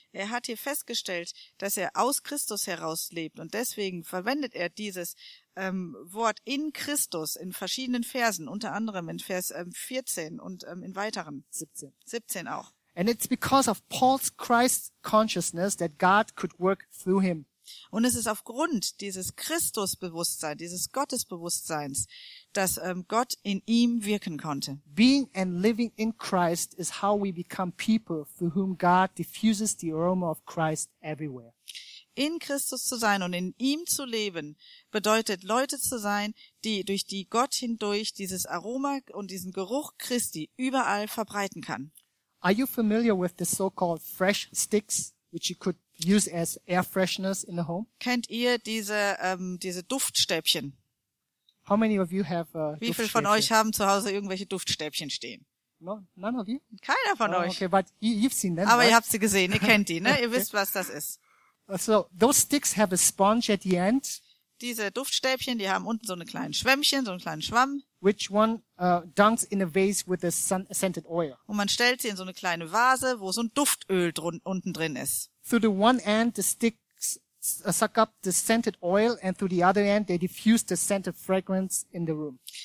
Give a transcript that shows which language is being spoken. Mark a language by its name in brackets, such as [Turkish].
[German] Er hat hier festgestellt, dass er aus Christus heraus lebt und deswegen verwendet er dieses Wort in Christus in verschiedenen Versen, unter anderem in Vers 14 und in weiteren 17 auch. [English] And it's because of Paul's Christ consciousness that God could work through him. [German] Und es ist aufgrund dieses Christusbewusstseins, dieses Gottesbewusstseins, dass Gott in ihm wirken konnte. [English] Being and living in Christ is how we become people through whom God diffuses the aroma of Christ everywhere. [German] In Christus zu sein und in ihm zu leben bedeutet Leute zu sein, die durch die Gott hindurch dieses Aroma und diesen Geruch Christi überall verbreiten kann. [English] Are you familiar with the so-called fresh sticks, which you could use as air fresheners in the home? [German] Kennt ihr diese diese Duftstäbchen? [English] How many of you have [German] Wie viele von euch haben zu Hause irgendwelche Duftstäbchen stehen? [English] No, none of you? [German] Keiner von euch. [English] Okay, but you've seen them. [German] Aber right? Ihr habt sie gesehen, ihr kennt die, ne? Ihr wisst, was das ist. [English] So, those sticks have a sponge at the end. [German] Diese Duftstäbchen, die haben unten so einen kleinen Schwämmchen, so einen kleinen Schwamm. [English] Which one dunks in a vase with a scented oil. [German] Und man stellt sie in so eine kleine Vase, wo so ein Duftöl unten drin ist. [English] Through the one end, the sticks suck up the scented oil, and through the other end, they diffuse the scented fragrance in the room.